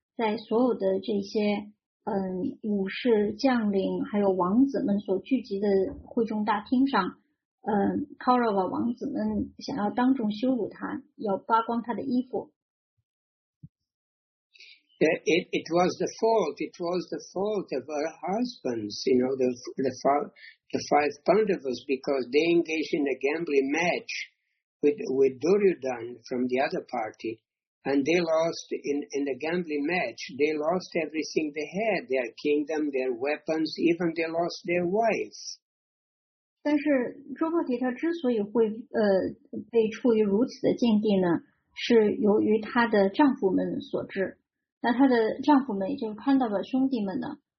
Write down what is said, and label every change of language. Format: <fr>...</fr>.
<zh>在所有的这些武士将领还有王子们所聚集的会众大厅上，Kaurava王子们想要当众羞辱他，要扒光他的衣服。</zh> <en>It was the fault. It was the fault of her husbands, you know, the five Pandavas, because they engaged in a gambling match with Duryodhan from the other party. And they lost in the gambling match. They lost everything they had, their kingdom, their weapons, even they lost their wives.</en> <zh>但是周伯提他之所以会被处于如此的境地呢，是由于他的丈夫们所致。那他的丈夫们，也就是潘达的兄弟们呢，</zh>